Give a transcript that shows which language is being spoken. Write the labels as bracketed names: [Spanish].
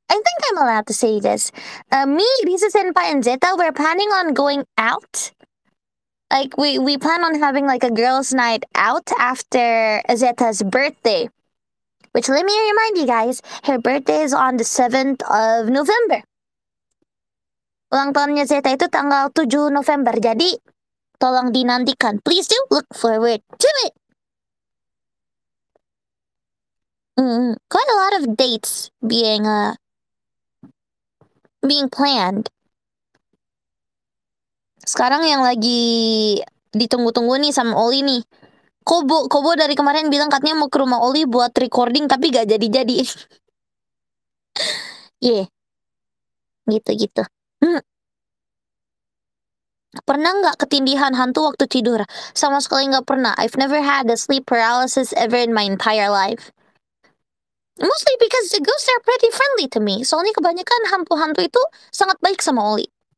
[English] I think I'm allowed to say this. Me, Risa Senpai, and Zeta, we're planning on going out. Like, we plan on having, like, a girls' night out after Zeta's birthday. Which, let me remind you guys, her birthday is on the 7th of November. [Indonesian] Ulang tahunnya Zeta itu tanggal 7 November. Jadi, tolong dinantikan. [English] Please do look forward to it. Quite a lot of dates being, being planned. [Indonesian] Sekarang yang lagi ditunggu-tunggu nih sama Oli nih. Kobo, Kobo dari kemarin bilang katanya mau ke rumah Oli buat recording, tapi gak jadi-jadi. Yeah. Gitu-gitu. Pernah gak ketindihan hantu waktu tidur? Sama sekali gak pernah. [English] I've never had a sleep paralysis ever in my entire life. Mostly because the ghosts are pretty friendly to me. [Indonesian] Soalnya kebanyakan hantu-hantu itu sangat baik sama Oli.